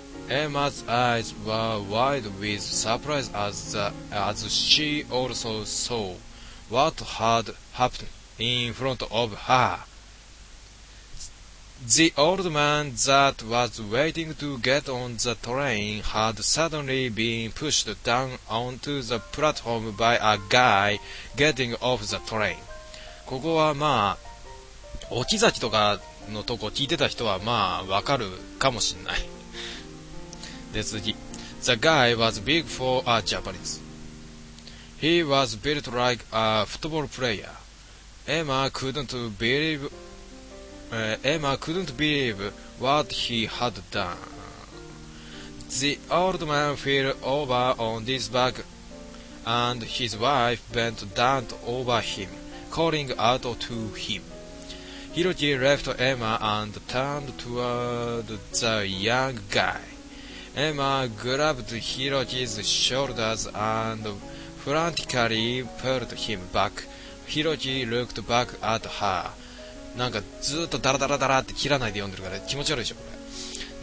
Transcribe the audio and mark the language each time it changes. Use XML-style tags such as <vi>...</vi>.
<en>Emma's eyes were wide with surprise as she also saw what had happened in front of her. The old man that was waiting to get on the train had suddenly been pushed down onto the platform by a guy getting off the train.</en> <ja>ここはまあ、置き先とかのとこ聞いてた人はまあ、わかるかもしんない。で、次。</ja> <en>The guy was big for a Japanese. He was built like a football player. Emma couldn't believe what he had done. The old man fell over on his back, and his wife bent down over him, calling out to him. Hiroki left Emma and turned toward the young guy. Emma grabbed Hiroki's shoulders and frantically pulled him back. Hiroki looked back at her.</en> <ja>なんかずっとダラダラダラって切らないで読んでるから気持ち悪いでしょこれ。</ja>